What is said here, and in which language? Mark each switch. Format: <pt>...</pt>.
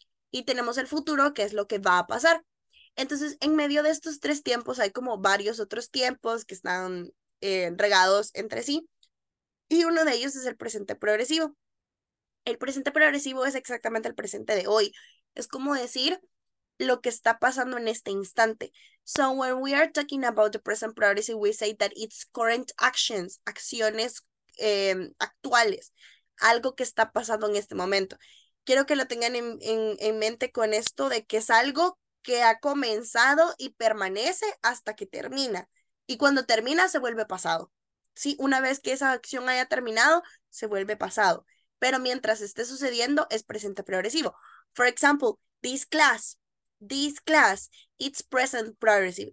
<es>Y tenemos el futuro, que es lo que va a pasar. Entonces, en medio de estos tres tiempos, hay como varios otros tiempos que están regados entre sí. Y uno de ellos es el presente progresivo. El presente progresivo es exactamente el presente de hoy. Es como decir lo que está pasando en este instante.</es> <en>So, when we are talking about the present progressive, we say that it's current actions,</en> <es>acciones actuales. Algo que está pasando en este momento. Quiero que lo tengan en mente con esto de que es algo que ha comenzado y permanece hasta que termina. Y cuando termina, se vuelve pasado. Sí, una vez que esa acción haya terminado, se vuelve pasado. Pero mientras esté sucediendo, es presente progresivo.</es> <en>For example, this class, it's present progressive.</en>